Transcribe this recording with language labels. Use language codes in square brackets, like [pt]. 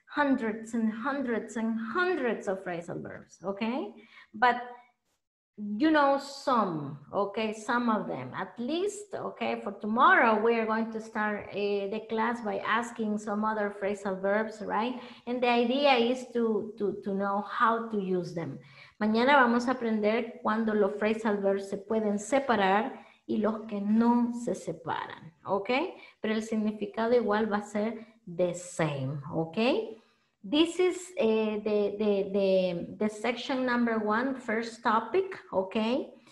[en] hundreds and hundreds and hundreds of phrasal verbs, okay? But you know some, okay? Some of them, at least, okay? For tomorrow, we are going to start the class by asking some other phrasal verbs, right? And the idea is to know how to use them. [es] Mañana vamos a aprender cuando los phrasal verbs se pueden separar y los que no se separan, okay? Pero el significado igual va a ser [en] the same, [es] okay? [en] This is the section number one, first topic, okay?